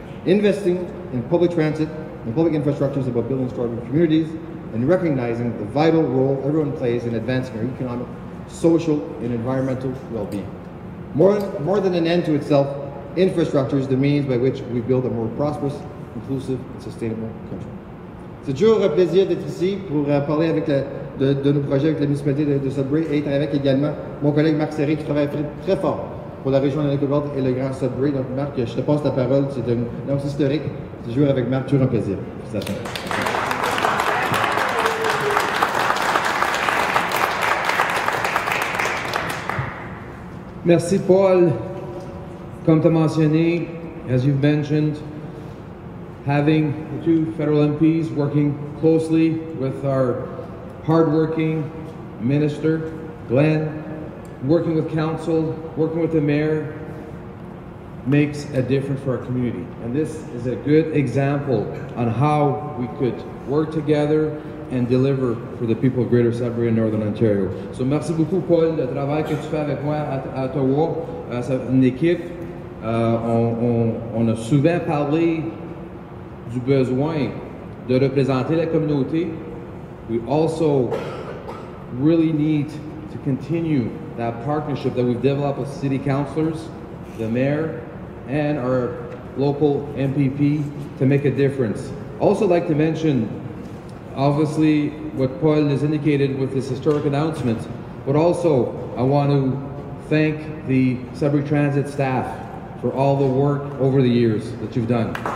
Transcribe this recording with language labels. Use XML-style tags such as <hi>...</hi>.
<en>Investing in public transit and public infrastructure is about building stronger communities and recognizing the vital role everyone plays in advancing our economic, social, and environmental well-being. More than an end to itself, infrastructure is the means by which we build a more prosperous, inclusive, and sustainable country.</en> <fr>C'est toujours un plaisir d'être ici pour parler avec de nos projets avec la municipalité de Sudbury et être avec également mon collègue Marc Serré qui travaille très fort pour la région de la Lefebvre et le Grand Sudbury. Donc Marc, je te passe la parole, c'est un annonce historique. C'est toujours avec Marc, toujours un plaisir. Merci Paul. Comme tu as mentionné,</fr> <en>as you've mentioned, having the two federal MPs working closely with our hardworking minister, Glenn, working with council, working with the mayor, makes a difference for our community. And this is a good example on how we could work together and deliver for the people of Greater Sudbury and Northern Ontario.</en> <fr>So merci beaucoup, Paul, le travail que tu fais avec moi à Ottawa. C'est une équipe. On a souvent parlé du besoin de représenter la communauté.</fr> <en>We also really need to continue that partnership that we've developed with city councilors, the mayor, and our local MPP to make a difference. Also like to mention, obviously, what Paul has indicated with this historic announcement, but also I want to thank the Sudbury Transit staff for all the work over the years that you've done.</en>